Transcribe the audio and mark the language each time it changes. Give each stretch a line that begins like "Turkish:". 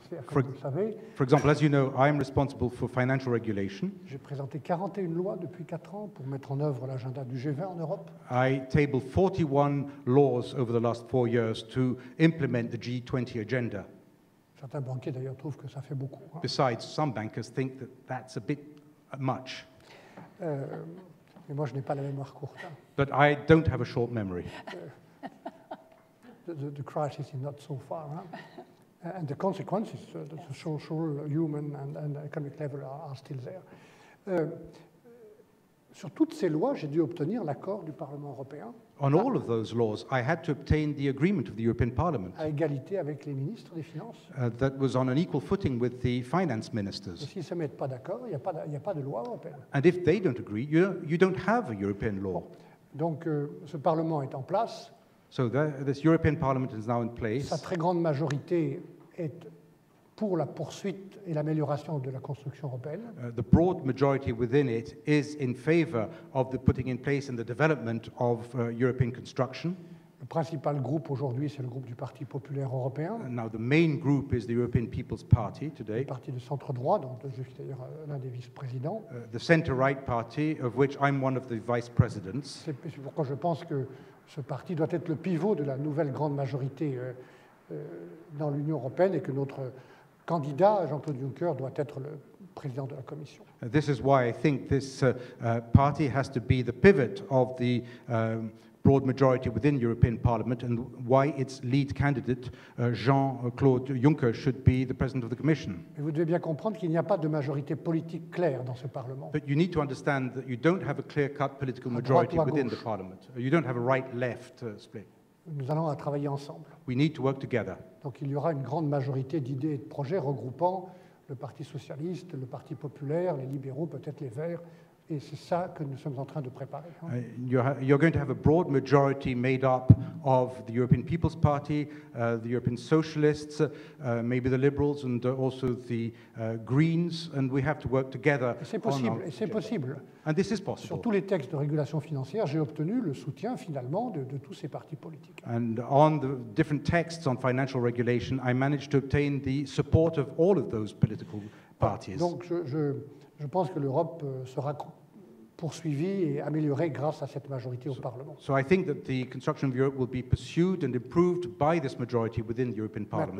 English: For example, as you know, I am responsible for financial regulation.
French: J'ai présenté 41 lois depuis 4 ans pour mettre en œuvre l'agenda du G20 en Europe.
English: I tabled 41 laws over the last 4 years to implement the G20 agenda.
French: Certains banquiers d'ailleurs trouvent que ça fait beaucoup. Hein.
English: Besides, some bankers think that that's a bit much.
French: Mais moi je n'ai pas la mémoire courte. Hein.
English: But I don't have a short memory. The crisis is not so far, huh? And the consequences, the social, human, and economic level are still there.
French: Sur toutes ces lois, j'ai dû obtenir l'accord du Parlement européen.
English: On all of those laws, I had to obtain the agreement of the European Parliament.
French: À égalité avec les ministres des finances.
English: That was on an equal footing with the finance ministers.
French: Et s'ils se mettent pas d'accord, il y a pas de loi européenne.
English: And if they don't agree, you don't have a European law.
French: Bon. Donc, ce Parlement est en place.
English: So this European Parliament is now in place.
French: Sa très grande majorité est pour la poursuite et l'amélioration de la construction européenne.
English: The broad majority within it is in favor of the putting in place and the development of European construction.
French: Le principal groupe aujourd'hui, c'est le groupe du Parti populaire européen.
English: Now the main group is the European People's Party today.
French: Le parti de centre droit, dont je suis d'ailleurs l'un des vice-présidents.
English: The centre-right party, of which I'm one of the vice-presidents.
French: C'est pourquoi je pense que ce parti doit être le pivot de la nouvelle grande majorité dans l'Union européenne et que notre candidat, Jean-Claude Juncker, doit être le président de la Commission.
English: This is why I think this party has to be the pivot of the broad majority within the European Parliament and why its lead candidate, Jean-Claude Juncker, should be the president of the Commission.
French: Et vous devez bien comprendre qu'il n'y a pas de majorité politique claire dans ce Parlement.
English: But you need to understand that you don't have a clear-cut political majority within the Parliament. You don't have a right-left split.
French: Nous allons à travailler ensemble.
English: We need to work together.
French: Donc il y aura une grande majorité d'idées et de projets regroupant le Parti socialiste, le Parti populaire, les libéraux, peut-être les verts. Et c'est ça que nous sommes en train de préparer.
English: You're going to have a broad majority made up of the European People's Party, the European Socialists, maybe the Liberals, and also the Greens, and we have to work together.
French: C'est possible. Et c'est possible.
English: And this is possible.
French: Sur tous les textes de régulation financière, j'ai obtenu le soutien finalement de tous ces partis politiques.
English: And on the different texts on financial regulation, I managed to obtain the support of all of those political parties.
French: Donc je pense que l'Europe sera poursuivie et améliorée grâce à cette majorité au Parlement.
English: So I think that the construction of Europe will be pursued and improved by this majority within the European Parliament.